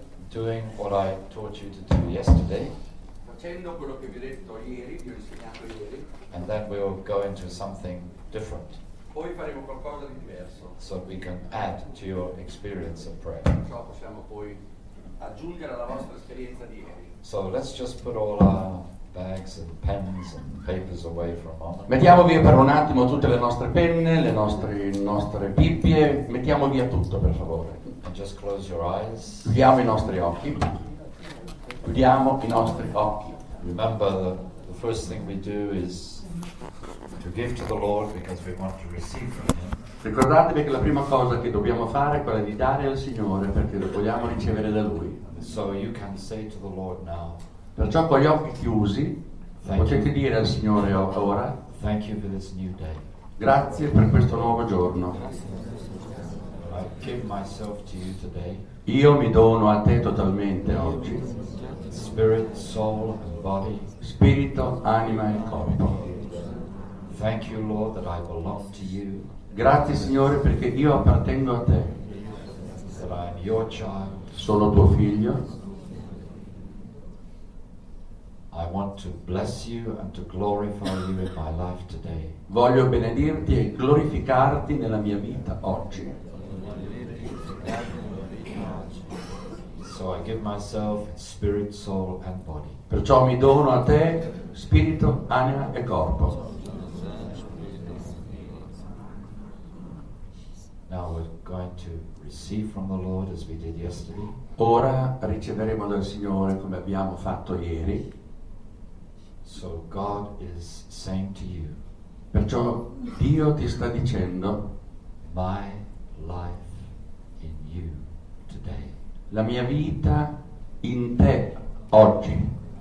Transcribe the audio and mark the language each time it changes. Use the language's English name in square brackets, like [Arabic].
[English] Doing what I taught you to do yesterday. [Italian] Facendo quello che vi ho detto ieri, vi ho insegnato ieri. [English] And then we'll go into something different. [Italian] Poi faremo qualcosa di diverso. [English] So we can add to your experience of prayer. [Italian] Perciò possiamo poi aggiungere alla vostra esperienza di ieri. [English] So let's just put all our bags and pens and papers away for a moment. [Italian] Mettiamo via per un attimo tutte le nostre penne, le nostre bibbie, mettiamo via tutto per favore. [English] And just close your eyes. [Italian] Chiudiamo i nostri occhi. Chiudiamo i nostri occhi. [English] Remember the first thing we do is to give to the Lord because we want to receive from him. [Italian] Ricordatevi che la prima cosa che dobbiamo fare è quella di dare al Signore perché lo vogliamo ricevere da Lui. [English] So you can say to the Lord now, [Italian] perciò con gli occhi chiusi potete dire al Signore ora: [English] thank you for this new day. [Italian] Grazie per questo nuovo giorno. [English] I give myself to you today. [Italian] Io mi dono a te totalmente oggi. [English] Spirit, soul, and body. [Italian] Spirito, anima e corpo. [English] Thank you, Lord, that I belong to you. [Italian] Grazie Signore perché io appartengo a te. [English] That I am your child. [Italian] Sono tuo figlio. [English] I want to bless you and to glorify you in my life today. [Italian] Voglio benedirti e glorificarti nella mia vita oggi. [English] So I give myself spirit, soul and body. [Italian] Perciò mi dono a te spirito, anima e corpo. [English] Now we're going to receive from the Lord as we did yesterday. [Italian] Ora riceveremo dal Signore come abbiamo fatto ieri. [English] So God is saying to you. [Italian] Perciò Dio ti sta dicendo: [English] my life in you today. [Italian] La mia vita in te oggi.